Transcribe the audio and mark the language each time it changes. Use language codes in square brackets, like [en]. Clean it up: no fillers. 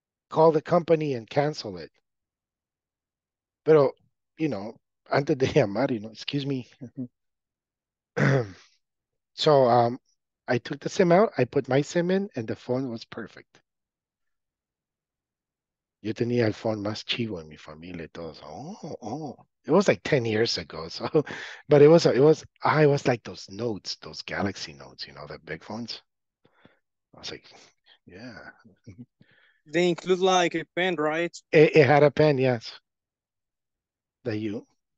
[en] Call the company and cancel it. Pero, you know, [es] antes de llamar, [en] you know, excuse me. So I took the SIM out, I put my SIM in, and the phone was perfect. [es] Yo tenía el phone más chivo en mi familia y todos. [en] Oh. It was like 10 years ago. So, but it was like those notes, those Galaxy notes, you know, the big phones. I was like, yeah. They include like a pen, right? It had a pen, yes. That you.